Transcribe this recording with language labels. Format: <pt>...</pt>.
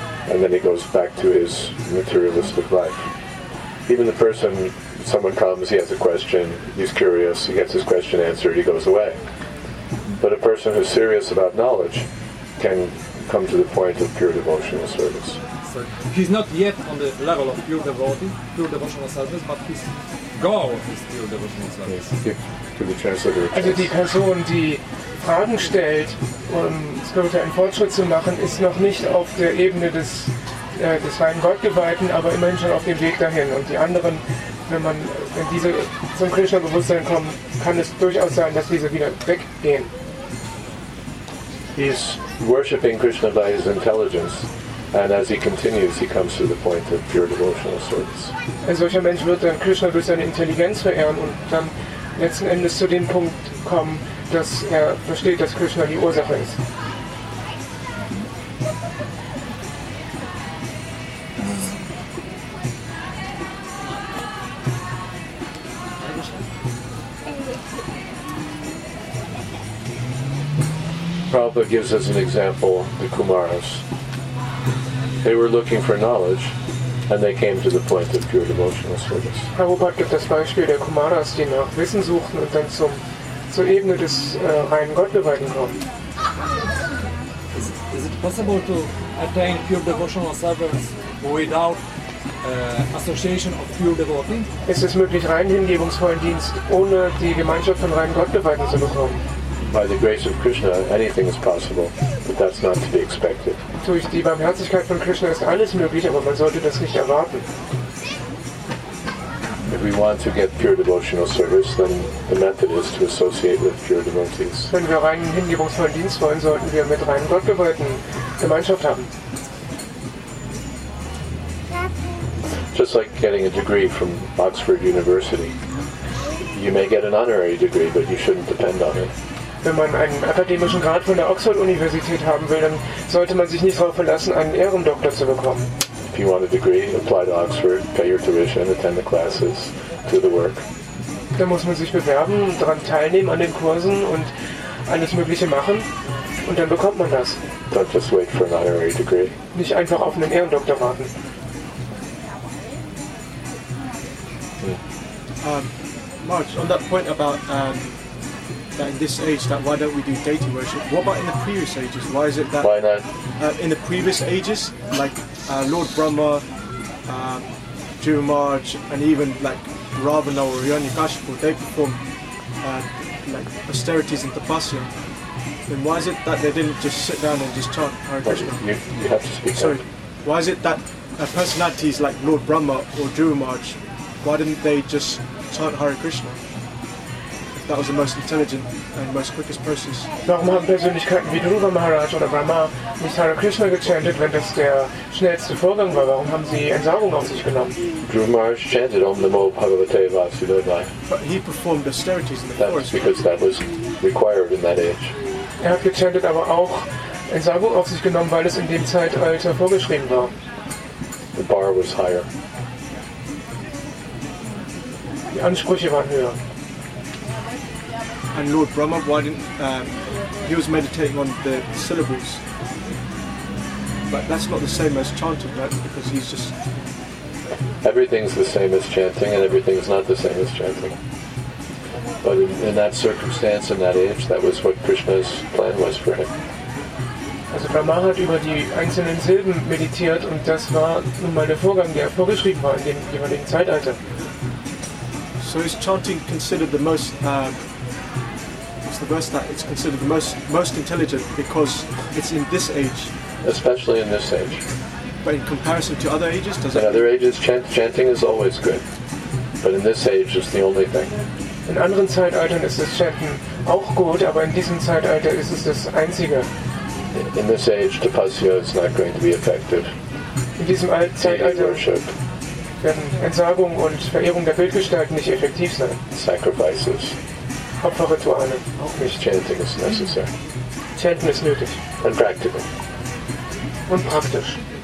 <en>And then he goes back to his materialistic life. Even the person, someone comes, he has a question, he's curious, he gets his question answered, he goes away. But a person who's serious about knowledge can come to the point of pure devotional service. So he's not yet on the level of pure devotee, pure devotional service, but his goal is pure devotional service. To the translator.</en> <de>Also die Person, die Fragen stellt, um spirituell einen Fortschritt zu machen, ist noch nicht auf der Ebene des reinen Gottgeweihten, aber immerhin schon auf dem Weg dahin. Und die anderen, wenn diese zum Krishna-Bewusstsein kommen, kann es durchaus sein, dass diese wieder weggehen.</de> <en>He's worshipping Krishna by his intelligence, and as he continues, he comes to the point of pure devotional service.</en> <de>Ein solcher Mensch wird dann Krishna durch seine Intelligenz verehren und dann letzten Endes zu dem Punkt kommen, dass er versteht, dass Krishna die Ursache ist.</de> <en>Prabhupada gives us an example, the Kumaras. They were looking for knowledge, and they came to the point of pure devotional service.</en> <de>Prabhupada gibt das Beispiel der Kumaras, die nach Wissen suchten und dann zur Ebene des reinen Gottgeweihten kommen.</de> <en>Is it possible to attain pure devotional service without association of pure devotee?</en> <de>Ist es möglich, rein hingebungsvollen Dienst ohne die Gemeinschaft von reinen Gottgeweihten zu bekommen?</de> <en>By the grace of Krishna, anything is possible, but that's not to be expected.</en> <de>Durch die Barmherzigkeit von Krishna ist alles möglich, aber man sollte das nicht erwarten.</de> <en>If we want to get pure devotional service, then the method is to associate with pure devotees.</en> <de>Wenn wir reinen hingebungsvollen Dienst wollen, sollten wir mit reinen Gottgeweihten Gemeinschaft haben.</de> <en>Just like getting a degree from Oxford University. You may get an honorary degree, but you shouldn't depend on it.</en> <de>Wenn man einen akademischen Grad von der Oxford-Universität haben will, dann sollte man sich nicht darauf verlassen, einen Ehrendoktor zu bekommen.</de> <en>If you want a degree, apply to Oxford, pay your tuition, attend the classes, do the work.</en> <de>Da muss man sich bewerben, daran teilnehmen an den Kursen und alles Mögliche machen und dann bekommt man das.</de> <en>Don't just wait for an honorary degree.</en> <de>Nicht einfach auf einen Ehrendoktor warten.</de> <en>March, on that point about that in this age, that why don't we do deity worship? What about in the previous ages? Why is it that... Why not? In the previous ages, like Lord Brahma, Jumaj, and even like Ravana or Hiranyakashipu, they perform like austerities and tapasya. Then why is it that they didn't just sit down and just chant Hare Krishna? You have to speak. Sorry. Out. Why is it that personalities like Lord Brahma or Jumaj, why didn't they just chant Hare Krishna? That was the most intelligent and most quickest process.</en> <de>Warum haben Persönlichkeiten wie Dhruva Maharaj oder Brahma nicht Hare Krishna gechantet, wenn das der schnellste Vorgang war? Warum haben sie Entsagung auf sich genommen?</de> <en>Dhruva Maharaj chanted Om Namo Bhagavate Vasudevaya. But he performed austerities in the forest. That's because that was required in that age.</en> <de>Er hat gechantet, aber auch Entsagung auf sich genommen, weil es in dem Zeitalter vorgeschrieben war.</de> <en>The bar was higher.</en> <de>Die Ansprüche waren höher.</de> <en>And Lord Brahma, why didn't he was meditating on the syllables? But that's not the same as chanting, right? Because he's just everything's the same as chanting, and everything's not the same as chanting. But in that circumstance, in that age, that was what Krishna's plan was for him.</en> <de>Also Brahma hat über die einzelnen Silben meditiert, und das war nun mal der Vorgang, der vorgeschrieben war in dem jeweiligen Zeitalter.</de> <en>So is chanting considered the most? The verse that it's considered the most intelligent because it's in this age. Especially in this age. But in comparison to other ages, does in In other ages, chanting is always good. But in this age, it's the only thing.</en> <de>In anderen Zeitaltern ist das Chanten auch gut, aber in diesem Zeitalter ist es das Einzige.</de> <en>In this age, tapasya is not going to be effective.</en> <de>In diesem Zeitalter werden Entsagung und Verehrung der Bildgestalten nicht effektiv sein.</de> <en>Sacrifices.</en> <de>Opferrituale. Auch nicht chanting ist necessary. Chanting ist nötig.</de> <en>And practical.</en> <de>Und praktisch.</de>